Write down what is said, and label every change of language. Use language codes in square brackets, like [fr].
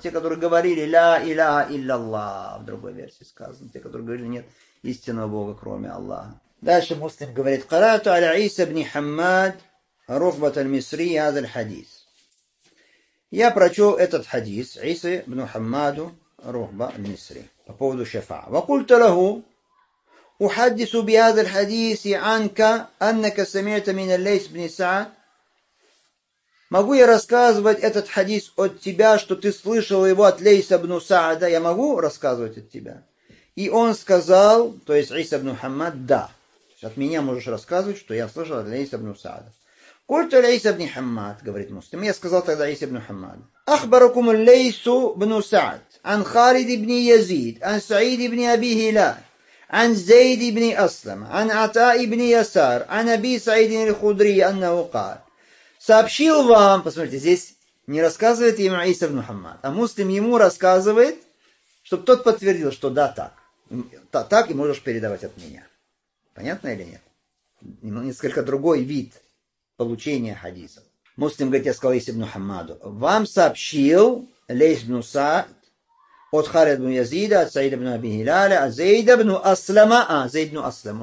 [ru] Те, которые говорили [ar] «Ля Иляха Илляллах», [ru] в другой версии сказано. Те, которые говорили «Нет истинного Бога, кроме Аллаха». Дальше муслим говорит [ar] «Карату аля Иса бни Хаммад, Рухбат аль-Мисри, яд аль-Хадис». [ru] Я прочел этот хадис Иса бни Хаммаду, Рухба аль-Мисри. По поводу шафа. [ar] وقلت له أحدث بهذا الحديث عنك أنك سمعت من الليث بن سعد. [ru] Могу я рассказывать этот хадис от тебя, что ты слышал его от Лейса бин Саада? Я могу рассказывать от тебя. И он сказал, то есть Иса бин Хаммад, да. От меня можешь рассказывать, что я слышал от Лейса бин Саада. [ar] قلت لعيسى بن حماد [ru] говорит муслим. Я сказал тогда Иса бин Хаммад. [ar] أخبركم الليث بن سعد عن خالد بن يزيد عن سعيد بن أبي هلال عن زيد بن أسلم عن عطاء بن يسار عن أبي سعيد الخدري أنه قال [ru] сообщил вам, посмотрите, здесь не рассказывает ему Иса бин Хаммад, а муслим ему рассказывает, чтобы тот подтвердил, что да, так. Так и можешь передавать от меня. Понятно или нет? Несколько другой вид получения хадиса. Муслим говорит, я сказал Иса бин Хаммаду, вам сообщил Лейс бин Саад от Халида бин Язида, от Саида бин Аби Хиляля, от Зейда бин Аслама. А, Зейд бин Аслам.